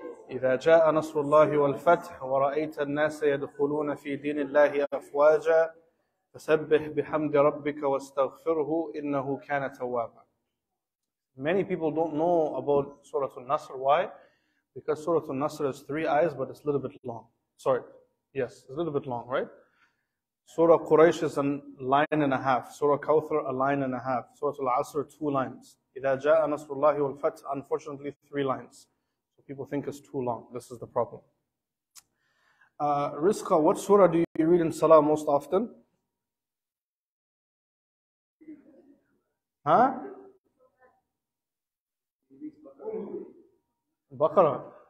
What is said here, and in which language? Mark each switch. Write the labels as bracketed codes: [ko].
[ar] إِذَا جَاءَ نَصْرُ اللَّهِ وَالْفَتْحِ وَرَأَيْتَ النَّاسَ يَدْخُلُونَ فِي دِينِ اللَّهِ أَفْوَاجًا فَسَبِّحْ بِحَمْدِ رَبِّكَ وَاسْتَغْفِرْهُ إِنَّهُ كَانَ تَوَّابًا. [en] Many people don't know about Surah Al-Nasr. Why? Because Surah Al-Nasr is three ayahs, but it's a little bit long. Sorry. Yes, it's a little bit long, right? Surah Quraysh is a line and a half. Surah Kawthar, a line and a half. Surah Al-Asr, two lines. [ar] إِذَا جَاءَ نَصْرُ اللَّهِ وَالْفَتْحِ, [en] unfortunately, three lines. So people think it's too long. This is the problem. Rizqa, what surah do you read in Salah most often? Huh? Baqarah.